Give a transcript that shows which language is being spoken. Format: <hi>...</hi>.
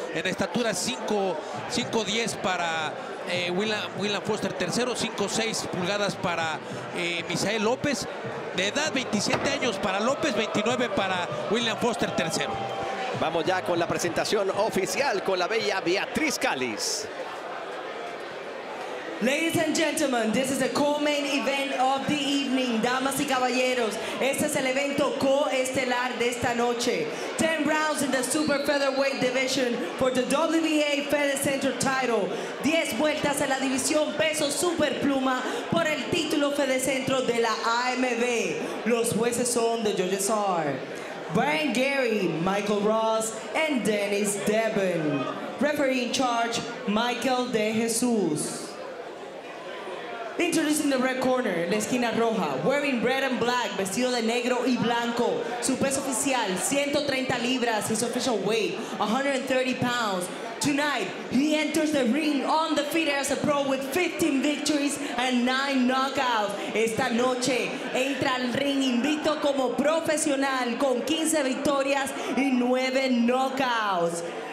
<es>En estatura 5'10 para William Foster III, 5'6 pulgadas para Misael López. De edad, 27 años para López, 29 para William Foster III. Vamos ya con la presentación oficial con la bella Beatriz Calis.</es> <en>Ladies and gentlemen, this is the co-main event of the evening.</en> <es>Damas y caballeros, este es el evento co-estelar de esta noche.</es> <en>10 rounds in the super featherweight division for the WBA Fedecentro title.</en> <es>10 vueltas en la división peso super pluma por el título Fedecentro de la AMB. Los jueces son</es> <en>the judges are</en> <es>Brian Gary, Michael Ross, and Dennis Devin.</es> <en>referee in charge, Michael De Jesus. Introducing the red corner,</en> <es>la esquina roja,</es> <en>wearing red and black,</en> <es>vestido de negro y blanco. Su peso oficial, 130 libras,</es> <en>his official weight, 130 pounds. Tonight, he enters the ring undefeated as a pro with 15 victories and 9 knockouts.</en> <es>Esta noche, entra al ring invicto como profesional con 15 victorias y 9 knockouts.</es>